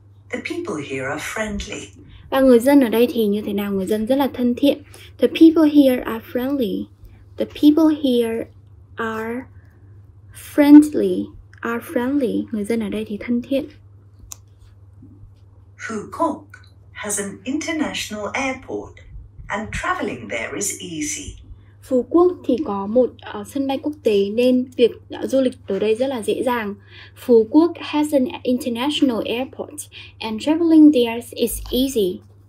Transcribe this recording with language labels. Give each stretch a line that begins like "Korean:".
English: The people here are friendly.
Vietnamese: Và người dân ở đây thì như thế nào? Người dân rất là thân thiện.
English: The people here are friendly. The people here are friendly. Are friendly.
Vietnamese: Người dân ở đây thì thân thiện.
English: Phu Quoc has an international airport and traveling there is easy.
Vietnamese: Phú Quốc thì có một sân bay quốc tế nên việc du lịch tới đây rất là dễ dàng.
English: Phú Quốc has an international airport and traveling there is easy.